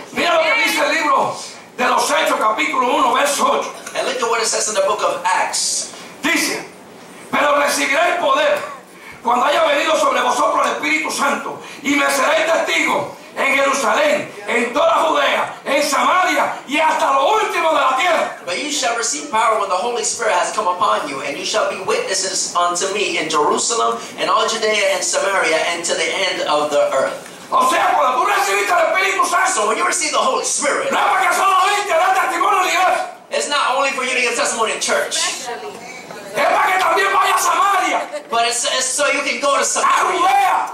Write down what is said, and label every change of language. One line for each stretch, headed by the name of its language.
Spanish: Mira lo que dice el libro de los Hechos, capítulo 1, verso 8.
English: And look at what it says in the book of Acts.
Spanish: Dice, pero recibiréis poder cuando haya venido sobre vosotros el Espíritu Santo. Y me seréis testigo en Jerusalén, en toda Judea, en Samaria, y hasta lo último de la tierra.
English: But you shall receive power when the Holy Spirit has come upon you, and you shall be witnesses unto me in Jerusalem, and all Judea and Samaria, and to the end of the earth.
Spanish: O sea, cuando tú recibiste el Espíritu Santo,
English: so when you receive the Holy Spirit,
Spanish: no es para que solamente da testimonio en la iglesia.
English: It's not only for you to give testimony in church.
Spanish: Es para que también vaya a Samaria.
English: But it's so you can go to Samaria,